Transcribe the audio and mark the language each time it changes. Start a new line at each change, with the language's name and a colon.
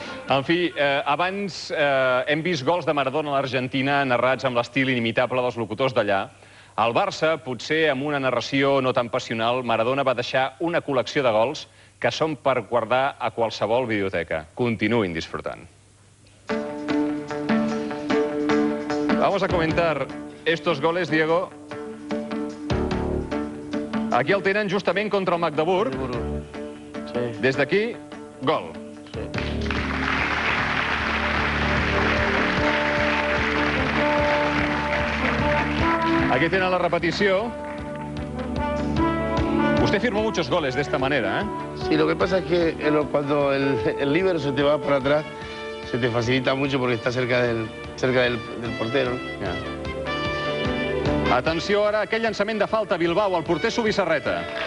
Catalan: En fi, abans hem vist gols de Maradona a l'Argentina narrats amb l'estil inimitable dels locutors d'allà. Al Barça, potser amb una narració no tan passional, Maradona va deixar una col·lecció de gols que són per guardar a qualsevol videoteca. Continuïn disfrutant.
Spanish: Vamos a comentar estos goles, Diego.
Catalan: Aquí el tenen justament contra el Magdeburg.
Spanish: Sí.
Catalan: Des d'aquí, gol.
Spanish: Aquí tienen la repetición. Usted firmó muchos goles de esta manera, ¿eh? Sí, lo que pasa es que cuando el líbero se te va para atrás, se te facilita mucho porque está cerca del portero.
Catalan: Ja. Atenció ara, aquell llançament de falta, Bilbao, el porter subi Sarreta.